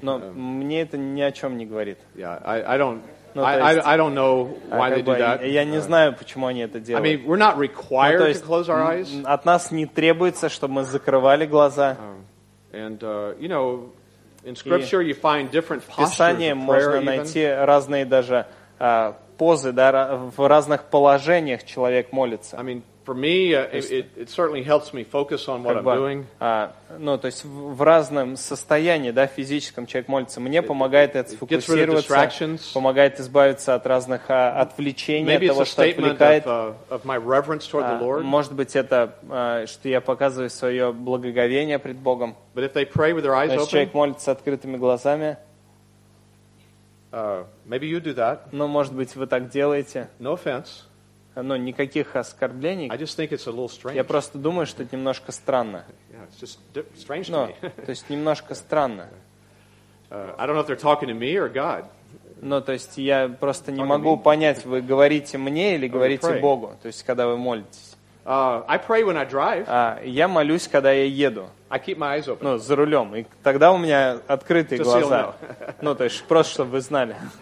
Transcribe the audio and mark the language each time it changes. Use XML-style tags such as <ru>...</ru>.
<ru>Но мне это ни о чем не говорит.</ru> <en>Yeah, I don't... I don't know why they do that.</en> <ru>Я не знаю, почему они это делают.</ru> <en>I mean, we're not required to close our eyes.</en> <ru>От нас не требуется, чтобы мы закрывали глаза.</ru> <en>And you know, in scripture you find different postures.</en> <ru>В Писании можно найти разные даже позы, да, в разных положениях человек молится.</ru> <en>I mean, for me, it certainly helps me focus on what I'm doing.</en> <ru>Ну, то есть в разном состоянии, да, физическом человек молится. Мне помогает это сфокусироваться, помогает избавиться от разных отвлечений,</ru> <en>maybe</en> <ru>того,</ru> <en>it's a</en> <ru>что отвлекает.</ru> <en>Of my reverence toward the Lord.</en> <ru>Может быть, это, что я показываю свое благоговение пред Богом.</ru> <en>But if they pray with their eyes open,</en> <ru>человек молится с открытыми глазами.</ru> <en>Maybe you do that.</en> <ru>Ну, может быть, вы так делаете.</ru> <en>No offense.</en> <ru>но никаких оскорблений.</ru> <en>I just think it's a little strange.</en> <ru>Я просто думаю, что это немножко странно.</ru> <en>Yeah, it's just strange to me.</en> <ru>То есть немножко странно.</ru> <en>I don't know if they're talking to me or God.</en> <ru>Ну, то есть я просто не могу понять, вы говорите мне или говорите Богу, то есть когда вы молитесь.</ru> <en>I pray when I drive.</en> <ru>Я молюсь, когда я еду.</ru> <en>I keep my eyes open.</en> <ru>Ну, за рулем. И тогда у меня открытые глаза. Ну, то есть просто, чтобы вы знали.</ru>